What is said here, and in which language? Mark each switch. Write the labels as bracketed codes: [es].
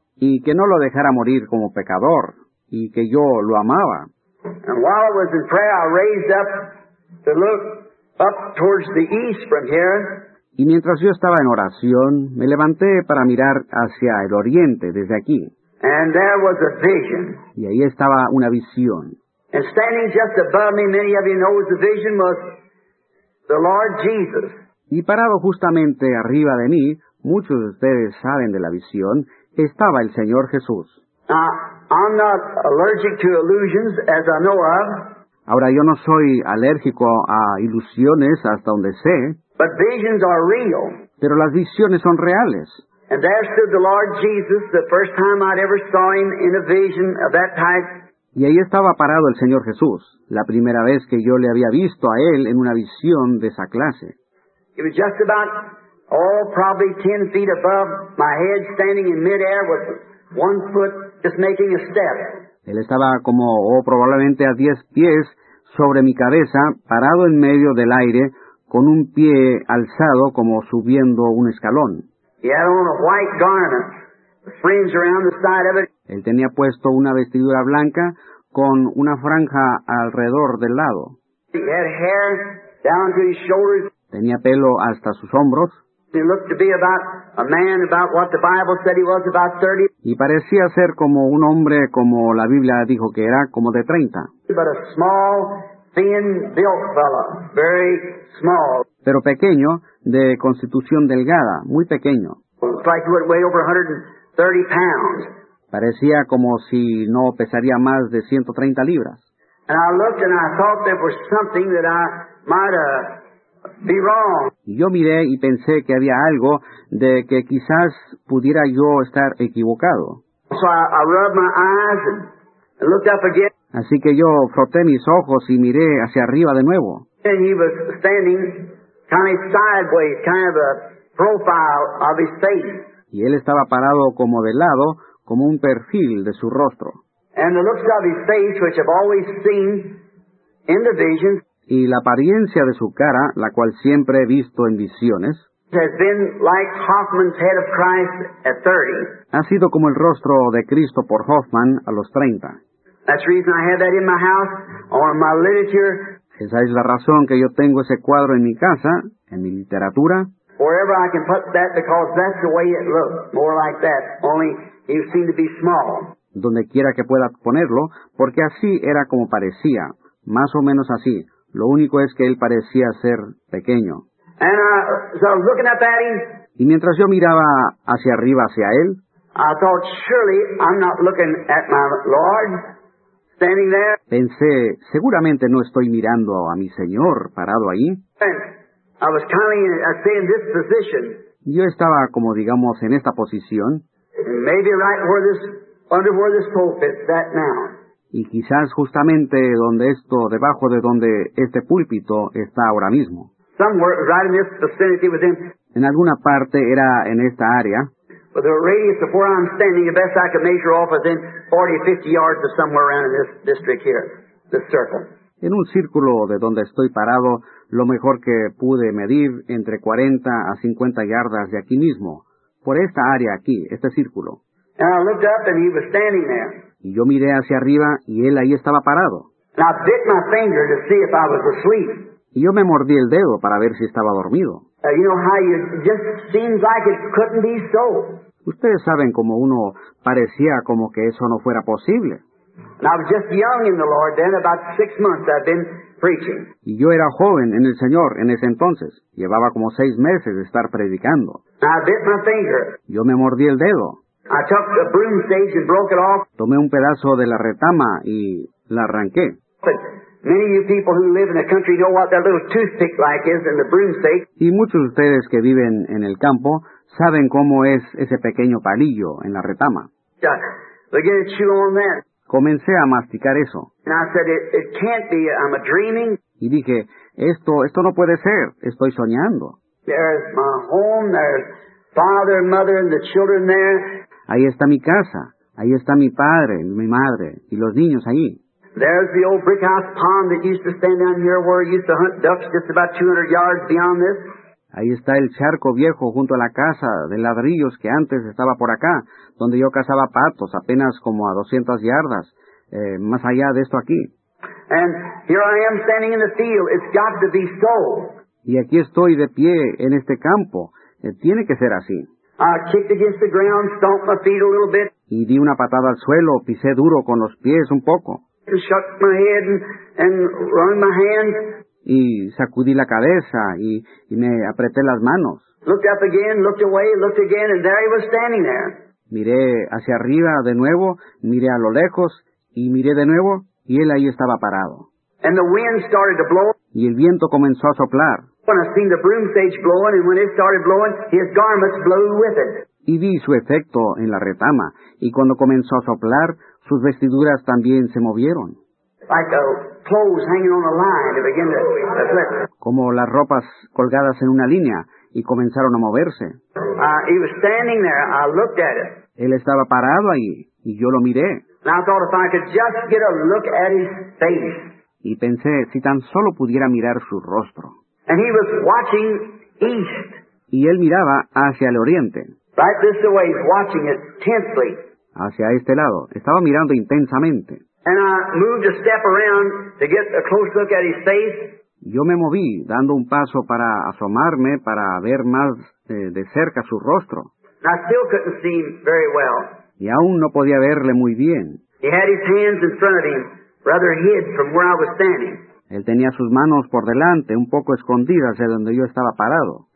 [es] y que no lo dejara morir como pecador, y que yo lo amaba. [en] And while I was in prayer, I raised up to look up towards the east from here. [es] Y mientras yo estaba en oración, me levanté para mirar hacia el oriente desde aquí. [en] And there was a vision. [es] Y ahí estaba una visión. [en] And standing just above me, many of you know the vision was the Lord Jesus. [es] Y parado justamente arriba de mí, muchos de ustedes saben de la visión, estaba el Señor Jesús. [en] I'm not allergic to illusions, as I know of. [es] Ahora, yo no soy alérgico a ilusiones hasta donde sé. [en] But visions are real. [es] Pero las visiones son reales. [en] And there stood the Lord Jesus, the first time I'd ever saw him in a vision of that type. [es] Y ahí estaba parado el Señor Jesús, la primera vez que yo le había visto a él en una visión de esa clase. [en] He was just about, probably 10 feet above my head, standing in midair with one foot just making a step. [es] Él estaba como, probablemente a 10 pies sobre mi cabeza, parado en medio del aire, con un pie alzado como subiendo un escalón. [en] He had on a white garment, fringe around the side of it. [es] Él tenía puesto una vestidura blanca con una franja alrededor del lado. [en] He had hair down to his shoulders. [es] Tenía pelo hasta sus hombros. [en] He looked to be about a man about what the Bible said he was, about 30. [es] Y parecía ser como un hombre, como la Biblia dijo que era, como de 30. [en] But a small, thin built fellow, very small. [es] Pero pequeño, de constitución delgada, muy pequeño. [en] Looks like he would weigh over 130 pounds. [es] Parecía como si no pesaría más de 130 libras. [en] And I looked and I thought there was something that I might be wrong. [es] Yo miré y pensé que había algo de que quizás pudiera yo estar equivocado. [en] So I rubbed my eyes and looked up again. [es] Así que yo froté mis ojos y miré hacia arriba de nuevo. [en] And he was standing kind of sideways, kind of a profile of his face. [es] Y él estaba parado como de lado, como un perfil de su rostro. [en] And the looks of his face, which I've always seen in the visions, [es] y la apariencia de su cara, la cual siempre he visto en visiones, [en] has been like Hoffman's head of Christ at 30. [es] Ha sido como el rostro de Cristo por Hoffman a los 30. [en] That's the reason I have that in my house, or in my literature. [es] Esa es la razón que yo tengo ese cuadro en mi casa, en mi literatura. [en] Wherever I can put that, because that's the way it looks, more like that, only he seemed to be small. [es] Donde quiera que pueda ponerlo, porque así era como parecía, más o menos así. Lo único es que él parecía ser pequeño. [en] And so I was looking up at him, [es] y mientras yo miraba hacia arriba, hacia él, [en] I thought, surely I'm not looking at my Lord standing there. [es] Pensé, seguramente no estoy mirando a mi Señor parado ahí. [en] I was in this position. [es] Yo estaba como, digamos, en esta posición. [en] Maybe right where this, under where this pulpit is at now. [es] Y quizás justamente donde esto, debajo de donde este púlpito está ahora mismo. [en] Somewhere right in this vicinity within [es] En alguna parte era en esta área. [en] But the radius of where I'm standing, the best I could measure off is in 40, 50 yards or somewhere around in this district here, this circle. [es] En un círculo de donde estoy parado, lo mejor que pude medir entre 40 a 50 yardas de aquí mismo, por esta área aquí, este círculo. [en] And I looked up and he was standing there. [es] Y yo miré hacia arriba y él ahí estaba parado. [en] And I bit my finger to see if I was asleep. [es] Y yo me mordí el dedo para ver si estaba dormido. [en] You know how it just seems like it couldn't be so. [es] Ustedes saben cómo uno parecía como que eso no fuera posible. [en] And I was just young in the Lord then, about 6 months I've been preaching. [es] Y yo era joven en el Señor en ese entonces. Llevaba como 6 meses de estar predicando. [en] And I bit my finger. [es] Yo me mordí el dedo. [en] I took the broom stage and broke it off. [es] Tomé un pedazo de la retama y la arranqué. [en] But many of you people who live in the country know what that little toothpick like is in the broom stage. [es] Y muchos de ustedes que viven en el campo saben cómo es ese pequeño palillo en la retama. [en] Began to chew on that. [es] Comencé a masticar eso. [en] And I said, it can't be, I'm a dreaming. [es] Y dije, esto no puede ser, estoy soñando. [en] There's my home, there's father, mother, and the children there. [es] Ahí está mi casa, ahí está mi padre, mi madre, y los niños allí. [en] There's the old brick house pond that used to stand down here where I used to hunt ducks just about 200 yards beyond this. [es] Ahí está el charco viejo junto a la casa de ladrillos que antes estaba por acá, donde yo cazaba patos, apenas como a 200 yardas, más allá de esto aquí. [en] And here I am standing in the field. It's got to be so. [es] Y aquí estoy de pie en este campo. Tiene que ser así. [en] I kicked against the ground, stomped my feet a little bit. [es] Y di una patada al suelo, pisé duro con los pies un poco. [en] And shook my head and wrung my hands. [es] Y sacudí la cabeza y me apreté las manos. [en] Looked up again, looked away, looked again, and there he was standing there. [es] Miré hacia arriba de nuevo, miré a lo lejos, y miré de nuevo, y él ahí estaba parado. [en] And the wind started to blow. [es] Y el viento comenzó a soplar. [en] When I seen the broom stage blowing, and when it started blowing, his garments blew with it. [es] Y vi su efecto en la retama, y cuando comenzó a soplar, sus vestiduras también se movieron. [en] Like a clothes hanging on a line, they begin to flip. [es] Como las ropas colgadas en una línea, y comenzaron a moverse. [en] He was standing there, I looked at it. [es] Él estaba parado ahí, y yo lo miré. [en] And I thought if I could just get a look at his face. [es] Y pensé, si tan solo pudiera mirar su rostro. [en] And he was watching east. [es] Y él miraba hacia el oriente. [en] Right this way, watching it intensely. [es] Hacia este lado, estaba mirando intensamente. [en] And I moved a step around to get a close look at his face. [es] Yo me moví, dando un paso para asomarme, para ver más de cerca su rostro. [en] And I still couldn't see him very well. [es] Y aún no podía verle muy bien. [en] He had his hands in front of him, rather hid from where I was standing. [es] Él tenía sus manos por delante, un poco escondidas de donde yo estaba parado.